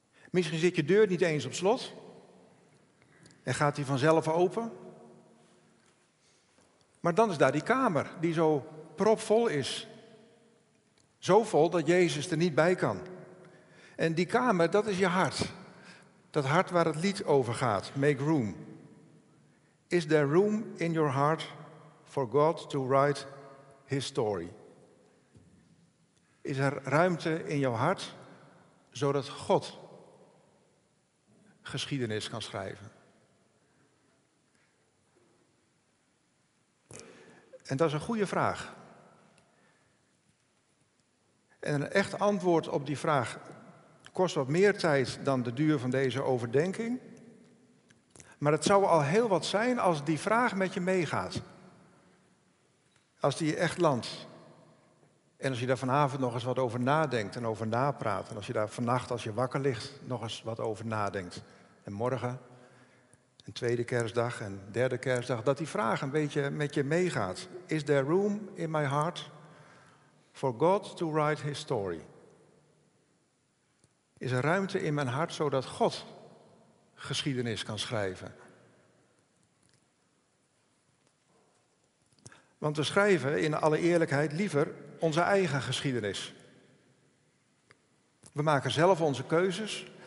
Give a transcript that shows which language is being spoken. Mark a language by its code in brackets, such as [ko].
[nl] Misschien zit je deur niet eens op slot en gaat die vanzelf open. Maar dan is daar die kamer die zo propvol is. Zo vol dat Jezus er niet bij kan. En die kamer, dat is je hart. Dat hart waar het lied over gaat. [en] Make room. Is there room in your heart for God to write his story? [nl] Is er ruimte in jouw hart zodat God geschiedenis kan schrijven? En dat is een goede vraag. En een echt antwoord op die vraag kost wat meer tijd dan de duur van deze overdenking. Maar het zou al heel wat zijn als die vraag met je meegaat. Als die je echt landt. En als je daar vanavond nog eens wat over nadenkt en over napraat. En als je daar vannacht als je wakker ligt nog eens wat over nadenkt. En morgen, een tweede kerstdag en derde kerstdag, dat die vraag een beetje met je meegaat. [en] Is there room in my heart for God to write his story? [nl] Is er ruimte in mijn hart zodat God geschiedenis kan schrijven? Want we schrijven in alle eerlijkheid liever onze eigen geschiedenis. We maken zelf onze keuzes.